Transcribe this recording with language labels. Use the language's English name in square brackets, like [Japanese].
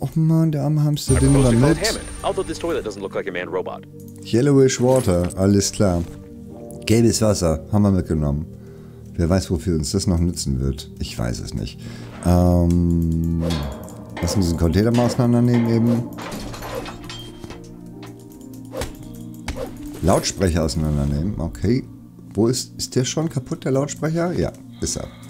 [German] Oh Mann, der arme Hamster, den nimmt er mit. [English] Although this toilet doesn't look like a man robot. [German] Yellowish water, alles klar. Gelbes Wasser, haben wir mitgenommen. Wer weiß, wofür uns das noch nützen wird. Ich weiß es nicht. Lass uns diesen Container mal auseinandernehmen eben. Lautsprecher auseinandernehmen. Okay. Wo ist... Ist der schon kaputt, der Lautsprecher? Ja, ist er.